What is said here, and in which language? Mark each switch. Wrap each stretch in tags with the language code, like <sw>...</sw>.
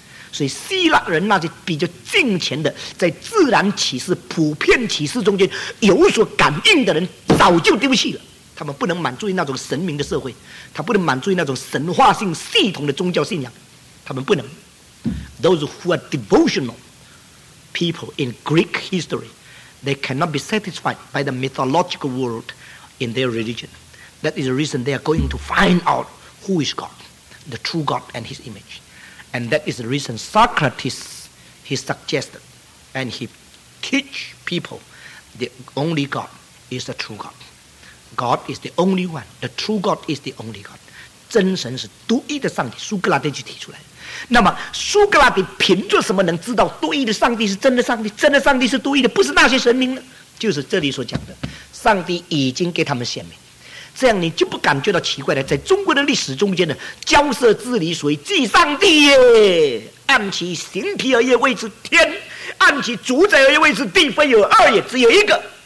<zh>所以希腊人那些比较近前的，在自然启示普遍启示中间有所感应的人早就丢弃了，他们不能满足于那种神明的社会，他不能满足于那种神话性系统的宗教信仰，他们不能。</zh> <en>Those who are devotional people in Greek history, they cannot be satisfied by the mythological world in their religion. That is the reason they are going to find out who is God, the true God and his imageAnd that is the reason Socrates, he suggested, and he teach people the only God is the true God. God is the only one. The true God is the only God.</en> <zh>真神是独一的上帝，苏格拉底就提出来。那么苏格拉底凭着什么能知道独一的上帝是真的上帝？真的上帝是独一的，不是那些神明呢？就是这里所讲的，上帝已经给他们显明。这样你就不感觉到奇怪了。在中国的历史中间呢，交涉治理属于祭上帝耶，按其形体而言谓之天，按其主宰而言谓之地，非有二也，只有一个。</zh>